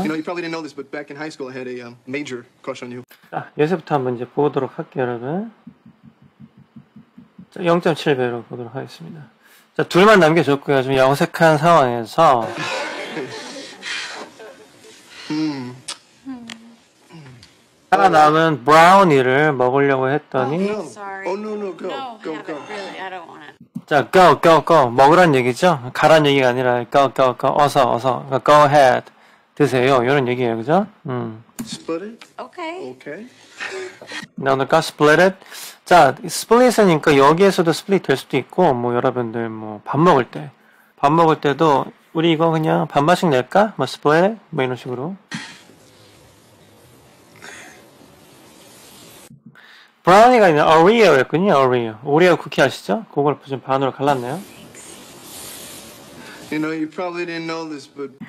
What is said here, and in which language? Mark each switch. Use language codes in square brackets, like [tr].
[en] You know, you probably didn't know this, but back in high school, I had a major crush on you. [ko] 자, 여기서부터 한번 이제 보도록 할게요, 여러분. 자, 0.7배로 보도록 하겠습니다. 자, 둘만 남겨줬고요. 좀 어색한 상황에서. Hmm. 살아남은 브라우니를 먹으려고 했더니. [en] Oh, sorry. Oh, no. Go. No, go. Go. Really, I don't want it. [ko] 자, go. 먹으란 얘기죠? 가란 얘기가 아니라, go. 어서. [en] Go ahead. [ko] 드세요. 이런 얘기예요. 그죠? [en] Split it? Okay. [ko] 나눌까? [en] Split it? [ko] 자, split이니까 여기에서도 split 될 수도 있고, 뭐, 여러분들, 뭐, 밥 먹을 때. 밥 먹을 때도, 우리 이거 그냥 반반씩 낼까? 뭐, split? 뭐, 이런 식으로. Brownie가 아니라 Oreo였군요, Oreo. Oreo 쿠키 아시죠? 그걸 좀 반으로 갈랐네요. [en] You know, you probably didn't know this, but...